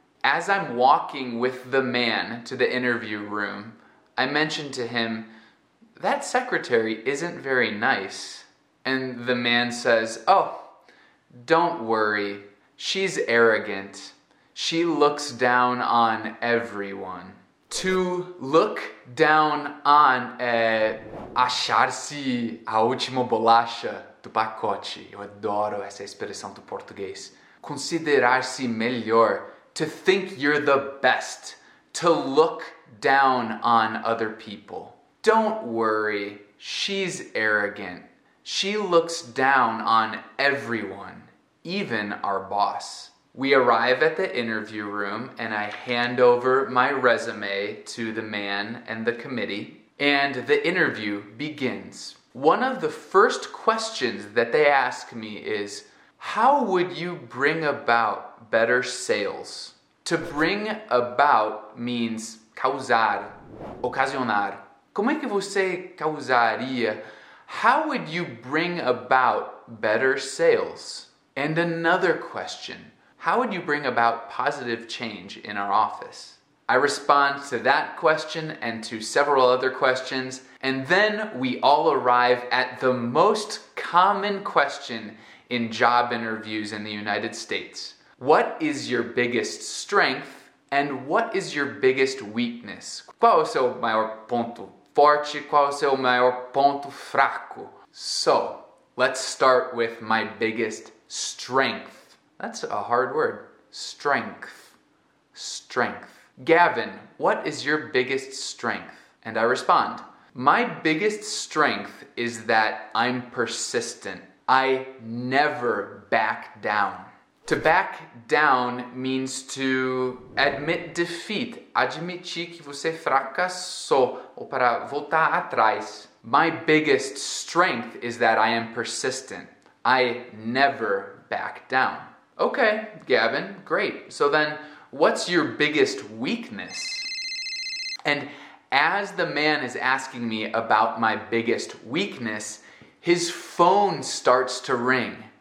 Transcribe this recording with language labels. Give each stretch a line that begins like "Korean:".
English: As I'm walking with the man to the interview room, I mention to him, that secretary isn't very nice. And the man says, oh, don't worry. She's arrogant. She looks down on everyone. To look down on
Portuguese: é achar-se a última bolacha do pacote. Eu adoro essa expressão do português. Considerar-se melhor.
English: To think you're the best. To look down on other people. Don't worry. She's arrogant. She looks down on everyone. Even our boss. We arrive at the interview room and I hand over my resume to the man and the committee, and the interview begins. One of the first questions that they ask me is, How would you bring about better sales? To bring about means
Portuguese: causar, ocasionar. Como é que você causaria?
English: How would you bring about better sales? And another question. How would you bring about positive change in our office? I respond to that question and to several other questions, and then we all arrive at the most common question in job interviews in the United States. What is your biggest strength and what is your biggest weakness?
Portuguese: Qual é o seu maior ponto forte? Qual é o seu maior ponto fraco?
English: So, let's start with my biggest strength. That's a hard word. Strength. Strength. Gavin, what is your biggest strength? And I respond, my biggest strength is that I'm persistent. I never back down. To back down means to admit defeat.
Portuguese: Admitir que você fracassou, ou para voltar atrás.
English: My biggest strength is that I am persistent. I never back down. Okay, Gavin, great. So then, what's your biggest weakness? And as the man is asking me about my biggest weakness, his phone starts to ring.